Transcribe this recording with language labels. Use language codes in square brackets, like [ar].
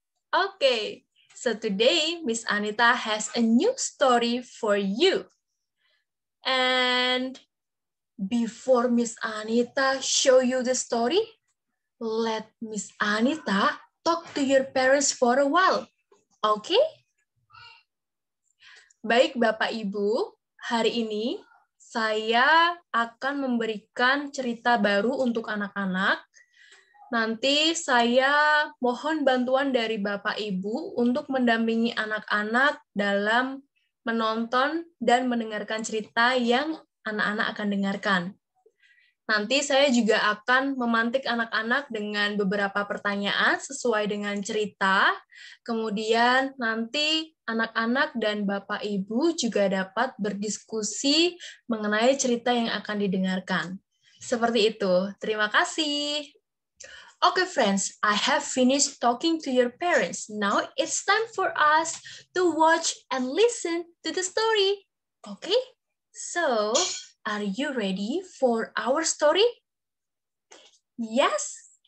[en] Okay, so today Miss Anita has a new story for you. And before Miss Anita show you the story, let Miss Anita talk to your parents for a while, okay? [id] Baik Bapak Ibu, hari ini saya akan memberikan cerita baru untuk anak-anak. Nanti saya mohon bantuan dari Bapak Ibu untuk mendampingi anak-anak dalam menonton dan mendengarkan cerita yang anak-anak akan dengarkan. Nanti saya juga akan memantik anak-anak dengan beberapa pertanyaan sesuai dengan cerita. Kemudian nanti anak-anak dan Bapak Ibu juga dapat berdiskusi mengenai cerita yang akan didengarkan. Seperti itu. Terima kasih. [en] Okay, friends, I have finished talking to your parents. Now it's time for us to watch and listen to the story. Okay? So, are you ready for our story? Yes?